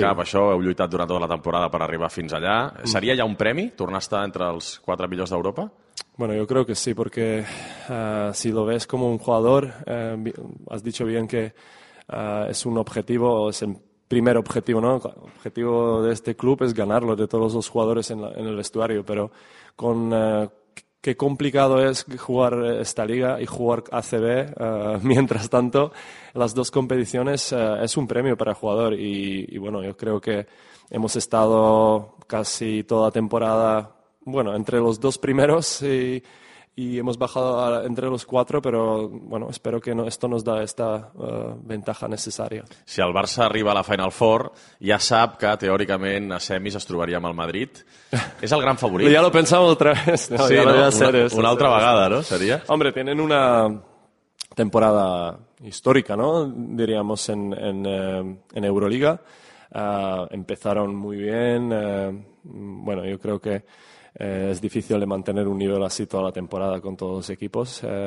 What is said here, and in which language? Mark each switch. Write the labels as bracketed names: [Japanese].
[Catalan] Cap, això, heu lluitat durant tota la temporada per arribar fins allà. Seria ja un premi tornar a estar entre els quatre millors d'Europa? [Spanish] Bueno, yo creo que sí, porque si lo ves como un jugador, has dicho bien que es un objetivo, es el primer objetivo, ¿no? El objetivo de este club es ganarlo, de todos los jugadores en el vestuario, pero con qué complicado es jugar esta liga y jugar ACB, mientras tanto, las dos competiciones es un premio para el jugador y bueno, yo creo que hemos estado casi toda temporada, bueno, entre los dos primeros y hemos bajado entre los cuatro, pero bueno, espero que esto nos da esta ventaja necesaria. [Catalan] Si el Barça arriba a la Final Four, ja sap que teòricament a semis es trobaria amb el Madrid. És el gran favorit. [Spanish] Ja lo pensamos otra vez. [Catalan] No, sí, no? Una altra vegada, no? Seria? [Spanish] Hombre, tienen una temporada histórica, ¿no? Diríamos en Euroliga. Empezaron muy bien. Bueno, yo creo que es difícil de mantener un nivel así toda la temporada con todos los equipos.